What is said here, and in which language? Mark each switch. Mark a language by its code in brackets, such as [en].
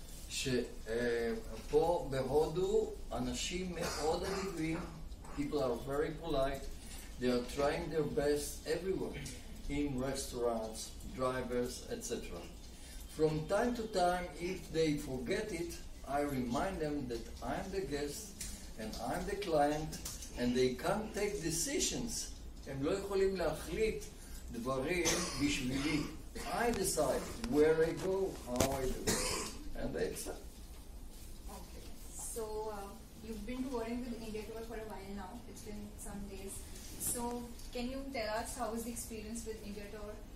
[he] שפה בהודו אנשים מאוד אדיבים, [en] people are very polite, they are trying their best everywhere, in restaurants, drivers, etc. From time to time, if they forget it, I remind them that I'm the guest and I'm the client and they can't take decisions. [he] הם לא יכולים להחליט דברים בשבילי. [en] I decide where I go, how I do it. And they okay. So you've been touring with Indiator for a while now. It's been some days. So can you tell us how was the experience with Indiator?